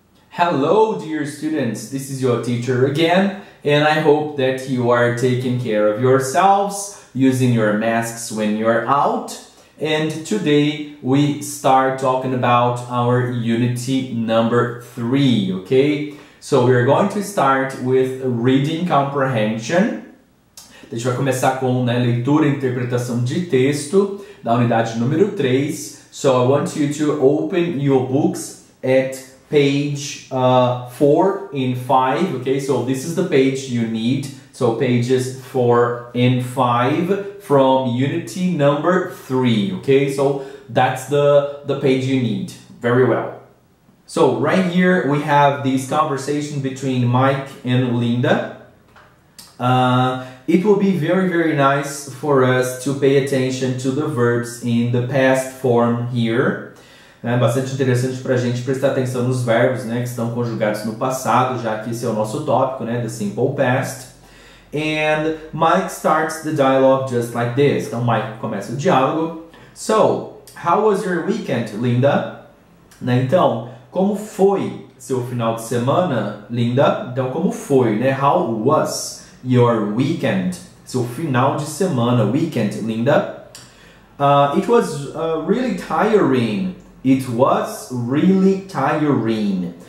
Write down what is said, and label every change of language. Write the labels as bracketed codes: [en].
[en] Hello, dear students, this is your teacher again, and I hope that you are taking care of yourselves, using your masks when you're out. And today we start talking about our unity number 3, okay? So we're going to start with reading comprehension. [pt] A gente vai começar com, né, leitura e interpretação de texto da unidade número 3. [en] So I want you to open your books at page 4 and 5, okay? So this is the page you need. So pages 4 and 5 from unity number 3, okay? So that's the page you need. Very well. So right here we have this conversation between Mike and Linda. It will be very, very nice for us to pay attention to the verbs in the past form here. [pt] É bastante interessante para a gente prestar atenção nos verbos, né, que estão conjugados no passado, já que esse é o nosso tópico, né, [en] the simple past. And Mike starts the dialogue just like this. [pt] Então, Mike começa o diálogo. [en] So, how was your weekend, Linda? [pt] Né, então, como foi seu final de semana, Linda? Então, como foi, né? [en] How was your weekend? [pt] Seu final de semana, weekend, Linda? [en] It was really tiring. It was really tiring.